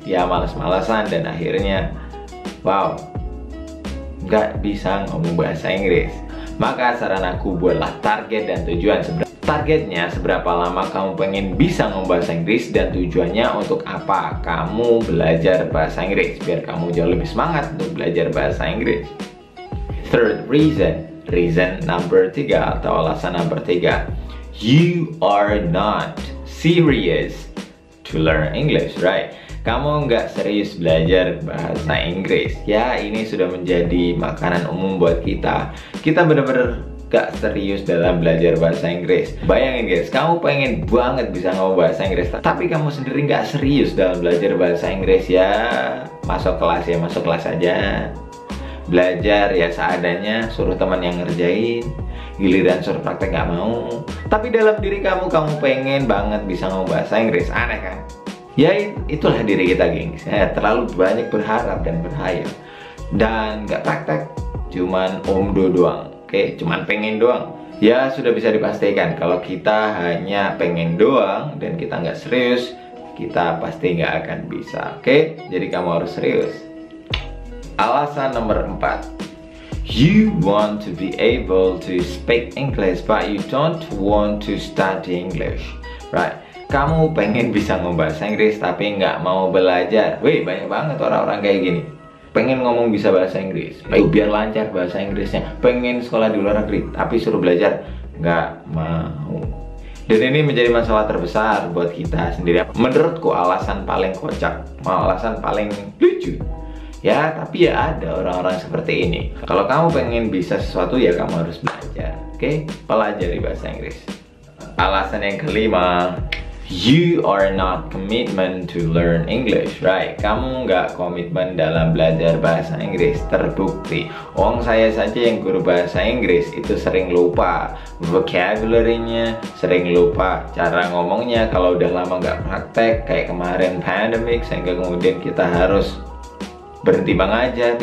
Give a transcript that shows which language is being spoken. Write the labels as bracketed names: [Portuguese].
[Indonesian] Ya, males-malesan dan akhirnya, wow, nggak bisa ngomong bahasa Inggris. Maka saran aku, buatlah target dan tujuan. Targetnya seberapa lama kamu pengen bisa ngomong bahasa Inggris dan tujuannya untuk apa kamu belajar bahasa Inggris biar kamu jauh lebih semangat untuk belajar bahasa Inggris. [English] Third reason, reason number 3 [Indonesian] atau alasan [English] number 3, you are not serious to learn English, right? [Indonesian] Kamu nggak serius belajar bahasa Inggris. Ya, ini sudah menjadi makanan umum buat kita. Kita benar-benar gak serius dalam belajar bahasa Inggris. Bayangin guys, kamu pengen banget bisa ngomong bahasa Inggris, tapi kamu sendiri gak serius dalam belajar bahasa Inggris. Ya, masuk kelas ya, masuk kelas aja. Belajar ya seadanya, suruh teman yang ngerjain. Giliran suruh praktek gak mau. Tapi dalam diri kamu, kamu pengen banget bisa ngomong bahasa Inggris. Aneh kan? Ya, itulah diri kita gengs. Ya, terlalu banyak berharap dan berhayal. Dan gak praktek, cuman omdo doang. Oke, cuman pengen doang. Ya, sudah bisa dipastikan kalau kita hanya pengen doang dan kita nggak serius, kita pasti nggak akan bisa. Oke, jadi kamu harus serius. Alasan nomor 4, [English] you want to be able to speak English but you don't want to study English, right? [Indonesian] Kamu pengen bisa ngomong bahasa Inggris tapi nggak mau belajar. Wih, banyak banget orang-orang kayak gini. Pengen ngomong bisa bahasa Inggris, biar lancar bahasa Inggrisnya. Pengen sekolah di luar negeri, tapi suruh belajar, nggak mau. Dan ini menjadi masalah terbesar buat kita sendiri. Menurutku alasan paling kocak, alasan paling lucu. Ya, tapi ya ada orang-orang seperti ini. Kalau kamu pengen bisa sesuatu, ya kamu harus belajar. Oke, pelajari bahasa Inggris. [English] Alasan yang kelima, You are not commitment to learn English, right? [Indonesian] Kamu nggak komitmen dalam belajar bahasa Inggris. Terbukti, wong saya saja yang guru bahasa Inggris itu sering lupa vocabularynya, sering lupa cara ngomongnya kalau udah lama nggak praktek. Kayak kemarin pandemic, sehingga kemudian kita harus berhenti mengajar.